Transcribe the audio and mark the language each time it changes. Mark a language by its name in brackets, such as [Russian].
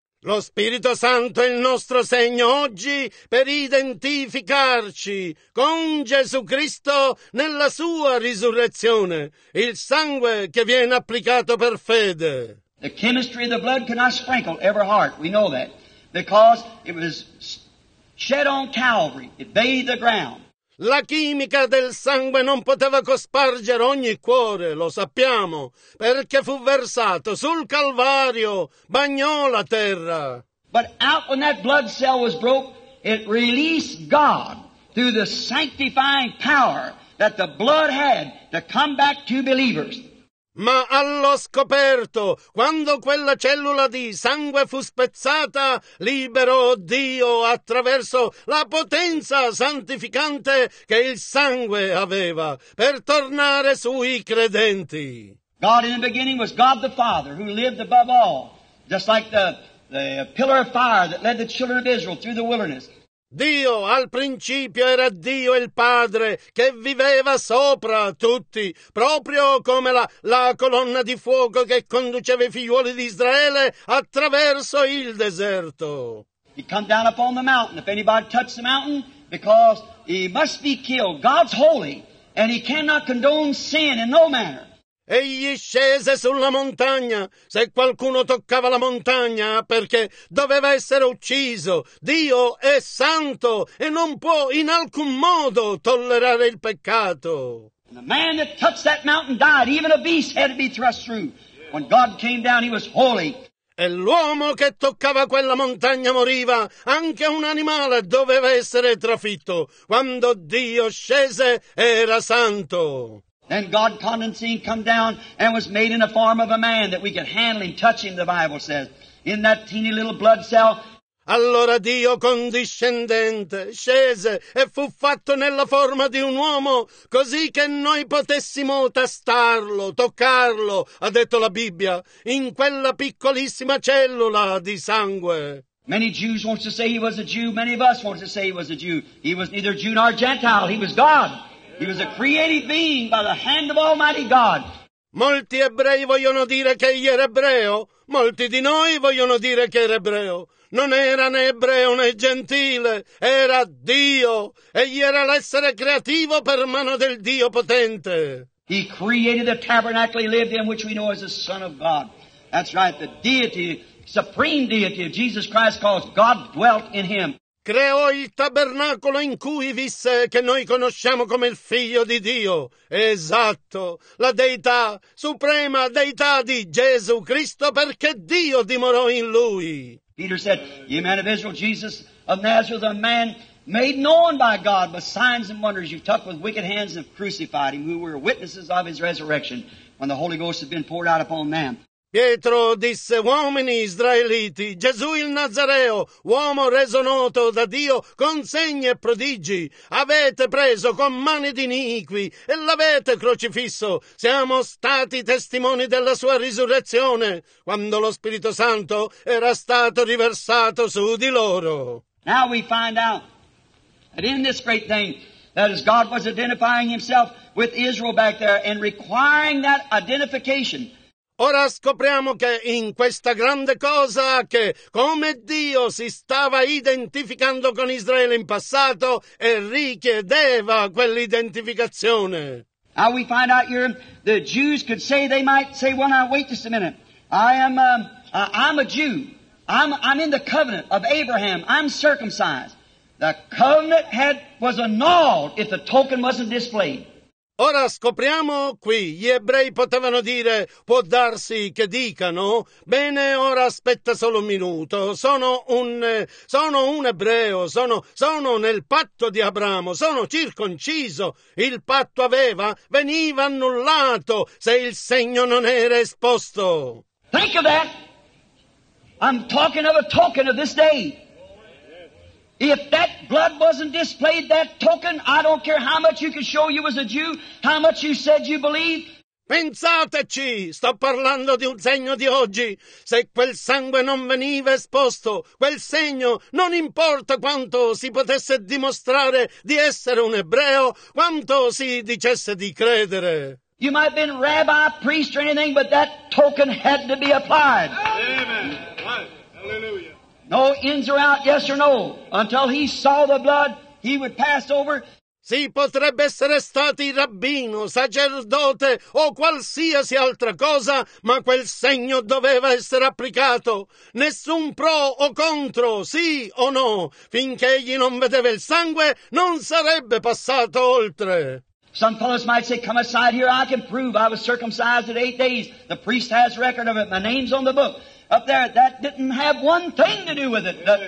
[Italian] Lo Spirito Santo è il nostro segno oggi per identificarci con Gesù Cristo nella sua risurrezione, il sangue che viene applicato per fede. [English] The chemistry of the blood cannot sprinkle every heart, we know that, because it was shed on Calvary, it bathed the ground. [Italian] La chimica del sangue non poteva cospargere ogni cuore, lo sappiamo, perché fu versato sul Calvario, bagnò la terra. [English] But out when that blood cell was broke, it released God through the sanctifying power that the blood had to come back to believers. [Italian] Ma allo scoperto, quando quella cellula di sangue fu spezzata, liberò Dio attraverso la potenza santificante che il sangue aveva per tornare sui credenti. [English] God in the beginning was God the Father who lived above all, just like the pillar of fire that led the children of Israel through the wilderness. [Italian] Dio al principio era Dio il Padre che viveva sopra tutti, proprio come la colonna di fuoco che conduceva i figlioli di Israele attraverso il deserto. [English] He come down upon the mountain, if anybody touched the mountain, because he must be killed. God's holy, and he cannot condone sin in no manner. [Italian] Egli scese sulla montagna, se qualcuno toccava la montagna, perché doveva essere ucciso. Dio è santo e non può in alcun modo tollerare il peccato. [English] And the man that touched that mountain died. Even a beast had to be thrust through. When God came down, he was holy. [Italian] E l'uomo che toccava quella montagna moriva. Anche un animale doveva essere trafitto. Quando Dio scese, era santo. [English] Then God condescending come down and was made in the form of a man that we could handle him, touch him, the Bible says, in that teeny little blood cell. [Italian] Allora Dio condiscendente scese e fu fatto nella forma di un uomo, così che noi potessimo tastarlo, toccarlo, ha detto la Bibbia, in quella piccolissima cellula di sangue. [English] Many Jews want to say he was a Jew. Many of us want to say he was a Jew. He was neither Jew nor Gentile. He was God. He was a created being by the hand of Almighty God. [Italian] Molti ebrei vogliono dire che egli era ebreo. Molti di noi vogliono dire che era ebreo. Non era né ebreo né gentile. Era Dio. Egli era l'essere creativo per mano del Dio potente. [English] He created the tabernacle he lived in, which we know as the Son of God. That's right, the deity, supreme deity of Jesus Christ calls God dwelt in him. [Italian] Creò il tabernacolo in cui visse, che noi conosciamo come il Figlio di Dio. Esatto, la deità, suprema deità di Gesù Cristo, perché Dio dimorò in Lui. [English] Peter said, ye men of Israel, Jesus of Nazareth, a man made known by God, by signs and wonders you've took with wicked hands and crucified him, who were witnesses of his resurrection, when the Holy Ghost had been poured out upon them. [Italian] Pietro disse, uomini israeliti, Gesù il Nazareo, uomo reso noto da Dio con segni e prodigi, avete preso con mani di iniqui e l'avete crocifisso. Siamo stati testimoni della sua risurrezione, quando lo Spirito Santo era stato riversato su di loro. [English] Now we find out that in this great thing, that is, God was identifying himself with Israel back there and requiring that identification. [Italian] Ora scopriamo che in questa grande cosa, che come Dio si stava identificando con Israele in passato e richiedeva quell'identificazione. [English] Now we find out here the Jews could say, they might say, well now wait just a minute, I'm a Jew, I'm in the covenant of Abraham, I'm circumcised. The covenant was annulled if the token wasn't displayed. [Italian] Ora scopriamo qui, gli ebrei potevano dire, può darsi che dicano, bene, ora aspetta solo un minuto, sono un ebreo, sono nel patto di Abramo, sono circonciso, il patto veniva annullato se il segno non era esposto. [English] Think of that! I'm talking of this day. If that blood wasn't displayed, that token, I don't care how much you could show you was a Jew, how much you said you believed. [Italian] Pensateci, sto parlando di un segno di oggi. Se quel sangue non veniva esposto, quel segno, non importa quanto si potesse dimostrare di essere un ebreo, quanto si dicesse di credere. [English] You might have been rabbi, priest or anything, but that token had to be applied. Amen. Hallelujah. No ins or out, yes or no. Until he saw the blood, he would pass over. [Italian] Si potrebbe essere stati rabbino, sacerdote o qualsiasi altra cosa, ma quel segno doveva essere applicato. Nessun pro o contro, sì o no. Finché egli non vedeva il sangue, non sarebbe passato oltre. [English] Some fellows might say, come aside here, I can prove I was circumcised in 8 days. The priest has record of it. My name's on the book. Up there, that didn't have one thing to do with it.